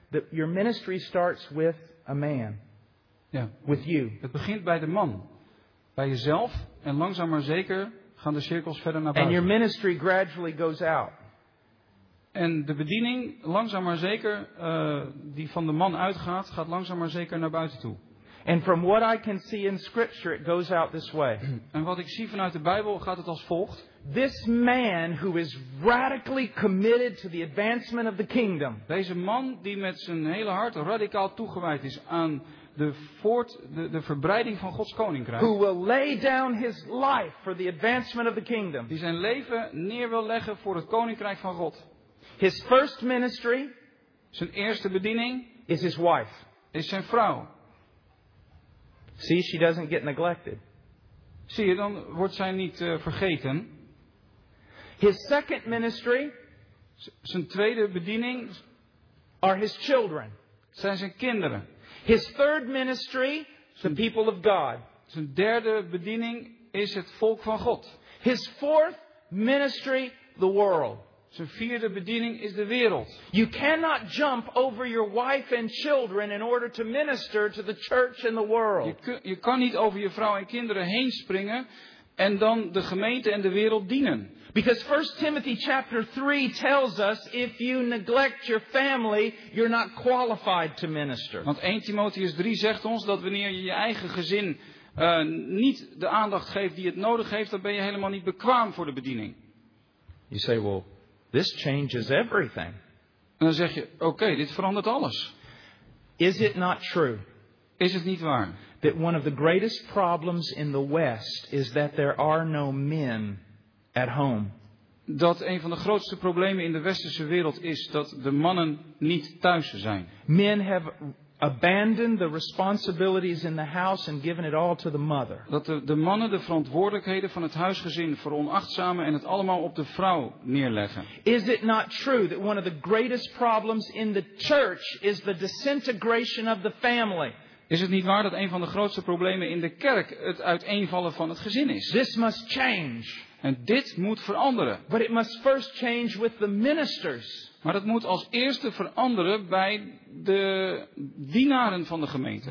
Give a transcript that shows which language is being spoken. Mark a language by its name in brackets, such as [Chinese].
[English] Your ministry starts with a man. [Dutch] Ja. [English] With you. [Dutch] Het begint bij de man. Bij jezelf en langzaam maar zeker gaan de cirkels verder naar buiten. [English] And your ministry gradually goes out. [Dutch] En de bediening, langzaam maar zeker, die van de man uitgaat, gaat langzaam maar zeker naar buiten toe. [English] And from what I can see in scripture, it goes out this way. [Dutch] En wat ik zie vanuit de Bijbel, gaat het als volgt. [English] This man who is radically committed to the advancement of the kingdom. [Dutch] Deze man die met zijn hele hart radicaal toegewijd is aan de verbreiding van Gods koninkrijk. [English] Who will lay down his life for the advancement of the kingdom. [Dutch] Die zijn leven neer wil leggen voor het koninkrijk van God. [English] His first ministry, [Dutch] zijn eerste bediening, [English] is his wife. [Dutch] Is zijn vrouw. [English] See, she doesn't get neglected. [Dutch] Zie je, dan wordt zij niet vergeten. [English] His second ministry, [Dutch] zijn tweede bediening, [English] are his children. [Dutch] Zijn zijn kinderen. [English] His third ministry, the people of God. [Dutch] Zijn derde bediening is het volk van God. [English] His fourth ministry, the world. [Dutch] Zijn vierde bediening is de wereld. [English] You cannot jump over your wife and children in order to minister to the church and the world. [Dutch] Je kan niet over je vrouw en kinderen heen springen en dan de gemeente en de wereld dienen. [English] Because 1 Timothy chapter 3 tells us if you neglect your family, you're not qualified to minister. [Dutch] Want 1 Timotheus 3 zegt ons dat wanneer je je eigen gezin niet de aandacht geeft die het nodig heeft, dan ben je helemaal niet bekwaam voor de bediening. [English] You say, well, this changes everything. [Dutch] En dan zeg je, oké, dit verandert alles. [English] Is it not true? [Dutch] Is het niet waar? [English] That one of the greatest problems in the West is that there are no men at home. [Dutch] Dat een van de grootste problemen in de westerse wereld is dat de mannen niet thuis zijn. [English] Men have abandoned the responsibilities in the house and given it all to the mother. [Dutch] Dat de mannen de verantwoordelijkheden van het huisgezin veronachtzamen en het allemaal op de vrouw neerleggen. [English] Is it not true that one of the greatest problems in the church is the disintegration of the family? [Dutch] Is het niet waar dat een van de grootste problemen in de kerk het uiteenvallen van het gezin is? [English] This must change. [Dutch] En dit moet veranderen. [English] But it must first change with the ministers. [Dutch] Maar dat moet als eerste veranderen bij de dienaren van de gemeente.